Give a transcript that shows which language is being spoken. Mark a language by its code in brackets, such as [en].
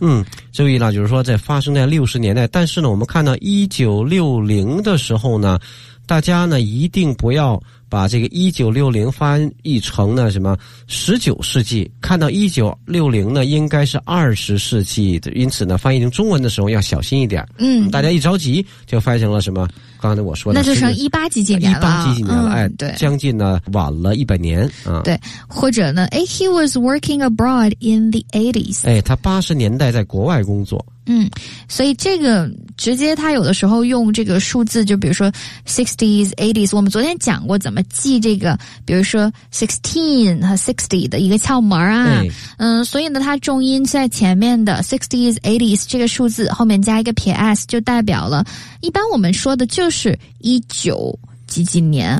[zh] 嗯，注意了，就是说在发生在60年代，但是呢我们看到1960的时候呢，大家呢一定不要把这个1960翻译成呢什么19世纪，看到1960呢应该是20世纪，因此呢翻译成中文的时候要小心一点。嗯，大家一着急就翻译成了什么刚才我说的，那就成18几几年了。 18几几年了、嗯、哎，对，将近呢晚了100年、嗯、对，或者呢 [en] He was working abroad in the 80s， [zh] 哎，他80年代在国外工作。嗯，所以这个直接他有的时候用这个数字，就比如说 60s 80s， 我们昨天讲过怎么记这个，比如说 16 和 60 的一个窍门啊。嗯，所以呢他重音在前面的 60s 80s 这个数字后面加一个撇 s， 就代表了一般我们说的就是19几几年啊、